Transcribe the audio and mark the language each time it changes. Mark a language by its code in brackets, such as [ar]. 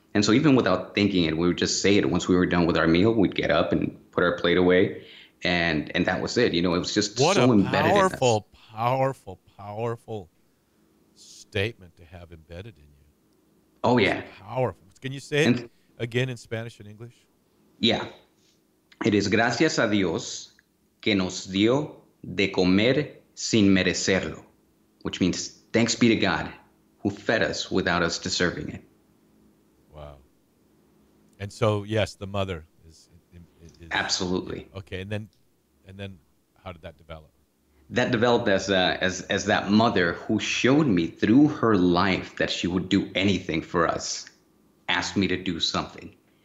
[en] And so even without thinking it, we would just say it. Once we were done with our meal, we'd get up and put our plate away. And that was it. You know, it was just what so embedded in us. What a powerful, powerful, powerful statement to have embedded in you. Oh, yeah. Powerful. Can you say it again in Spanish and English? Yeah. It is [es] gracias a Dios que nos dio de comer sin merecerlo. [en] Which means thanks be to God who fed us without us deserving it. Wow. And so, yes, the mother is absolutely. Okay. And then how did that develop? That developed as that mother who showed me through her life that she would do anything for us, asked me to do something.